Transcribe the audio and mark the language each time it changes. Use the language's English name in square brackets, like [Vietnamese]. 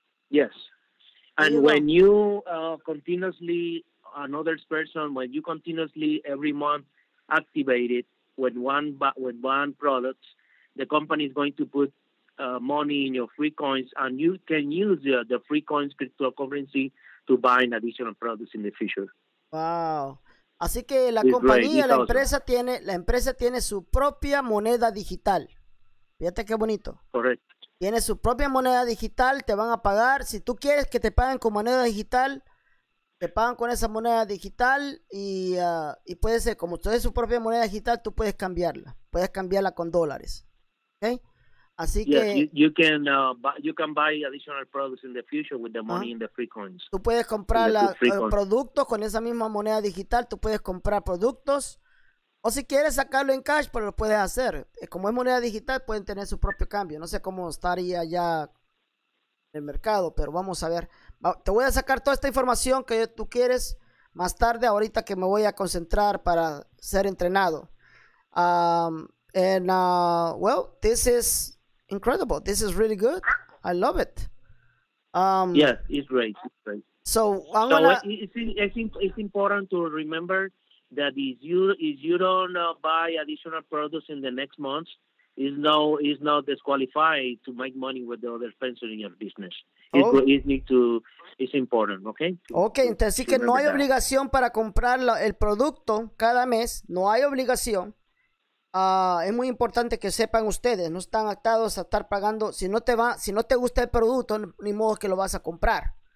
[English] Yes, and when you continuously another person, when you continuously every month activate it. With one product, the company is going to put money in your free coins, and you can use the free coins cryptocurrency to buy additional products in the future. Wow! [Spanish] Así que la compañía, la empresa tiene, su propia moneda digital. Fíjate qué bonito. [English] Correct. [Spanish] Tiene su propia moneda digital. Te van a pagar si tú quieres que te paguen con moneda digital. Te pagan con esa moneda digital y puede ser, como tú eres su propia moneda digital, tú puedes cambiarla. Puedes cambiarla con dólares. ¿Okay? Así que... [English] You can buy additional products in the future with the money in the free coins. [Spanish] Tú puedes comprar productos con esa misma moneda digital. Tú puedes comprar productos O si quieres sacarlo en cash, pero lo puedes hacer. Como es moneda digital, pueden tener su propio cambio. No sé cómo estaría ya en el mercado, pero vamos a ver. Te voy a sacar toda esta información que tú quieres más tarde, ahorita que me voy a concentrar para ser entrenado. [English] Well, this is incredible. This is really good. I love it. Yeah, it's great. It's important to remember that if you don't buy additional products in the next month, is not disqualified to make money with the other friends in your business. It's important, okay? [Spanish] Okay, entonces sí que no hay obligación para comprar el producto cada mes. No hay obligación. Es muy importante que sepan ustedes, no están atados a estar pagando. Si no te gusta el producto, ni modo que lo vas a comprar.